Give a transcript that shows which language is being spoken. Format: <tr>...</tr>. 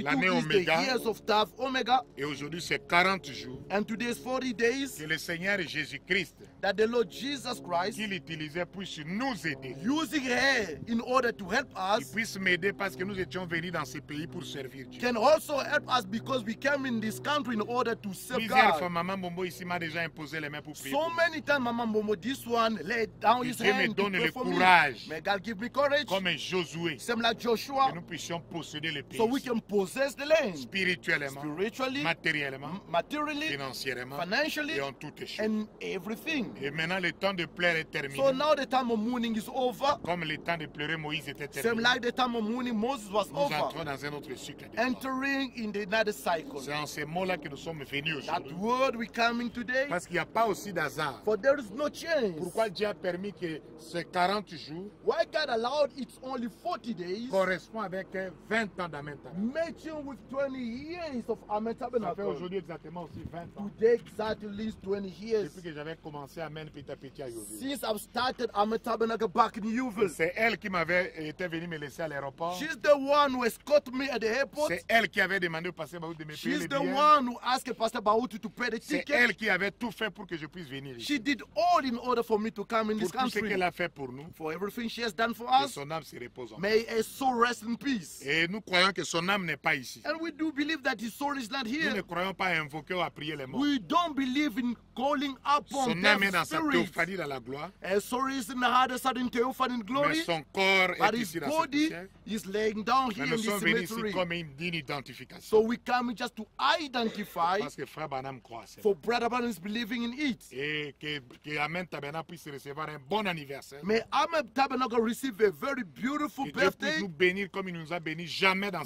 <fr>l'année</fr> <en>is omega, the years of Tav Omega.</en> <fr>Et aujourd'hui c'est 40 jours.</fr> <en>And today is 40 days.</en> <fr>Que le Seigneur Jésus-Christ.</fr> <en>That the Lord Jesus Christ.</en> <fr>Qu'il utilisait puisse nous aider.</fr> <en>Using her in order to help us.</en> <fr>Il puisse m'aider parce que nous étions venus dans ce pays pour servir Dieu.</fr> <en>Can also help us because we came in this country in order to serve</en> <fr>plusieurs</fr> <en>God.</en> <fr>Fois, Maman Bombo ici m'a déjà imposé les mains pour prier.</fr> <en>So many times Maman Bombo this one laid down his hand.</en> <fr>Me donne le courage.</fr> <en>May God give me courage.</en> <fr>Comme un Josué.</fr> <en>Same like Joshua.</en> <fr>Que nous puissions poser.</fr> <en>So we can possess the land</en> <fr>spirituellement,</fr> <en>spiritually,</en> <fr>matériellement,</fr> <en>materially,</en> <fr>financièrement,</fr> <en>financially,</en> <fr>et en toutes choses.</fr> <en>And everything.</en> <fr>Et maintenant le temps de pleurer est terminé.</fr> <en>So now the time of mourning is over.</en> <fr>Comme le temps de pleurer Moïse était terminé.</fr> <en>Same like the time of mourning Moses was</en> <fr>nous Nous entrons dans un autre cycle.</fr> <en>Entering in the another cycle.</en> <fr>C'est en ces mots-là que nous sommes venus aujourd'hui.</fr> <en>That word we coming today.</en> <fr>Parce qu'il n'y a pas aussi d'hasard.</fr> <en>For there is no chance.</en> <fr>Pourquoi Dieu a permis que ces 40 jours?</fr> <en>Why God allowed it's only 40 days?</en> <fr>Correspond avec 20 ans d'Amen</fr> <en>Tabernacle. With 20 years of Amen Tabernacle.</en> <fr>Ça fait aujourd'hui exactement aussi 20 ans.</fr> <en>Today exactly is 20 years.</en> <fr>Depuis que j'avais commencé Amen Pita Pita Yuville.</fr> <en>Since I've started Amen Tabernacle back in Yuville.</en> <fr>C'est elle qui m'avait été venue me laisser à l'aéroport.</fr> <en>She's the one who escorted me at the airport.</en> <fr>C'est elle qui avait demandé au pasteur Baoutou de me</fr> <en>She's</en> <fr>payer les billets.</fr> <en>She's the one who asked Pastor Baoutou to pay the</en> <fr>C'est</fr> <en>ticket.</en> <fr>C'est elle qui avait tout fait pour que je puisse venir ici.</fr> <en>She did all in order for me to come in</en> <fr>pour</fr> <en>this country.</en> <fr>Pour tout ce qu'elle a fait pour nous.</fr> <en>For everything she has done for us.</en> <fr>Que son âme se repose en</fr> <en>May her soul rest in peace.</en> <fr>Et nous croyons que son âme n'est pas ici.</fr> <en>And we do believe that his soul is not here.</en> <fr>Nous ne croyons pas à invoquer ou à prier les morts.</fr> <en>We don't believe in calling upon</en> <fr>son âme est dans sa théophanie dans la gloire.</fr> <en>His soul is in the heart of theophany in glory.</en> <fr>Mais son corps</fr> <en>But</en> <fr>est ici dans</fr> <en>his body is laying down here in this cemetery.</en> <fr>Mais nous sommes venus comme une digne identification.</fr> <en>So we come just to identify.</en> <fr>Parce que Frère Branham croit.</fr> <en>For Brother Branham is believing in it.</en> <fr>Et que Amen Tabernacle puisse recevoir un bon anniversaire.</fr> <en>May Amen Tabernacle receive a very beautiful</en> <fr>que</fr> <en>birthday.</en> <fr>Dieu puisse nous bénir comme il nous a béni. Jamais dans</fr>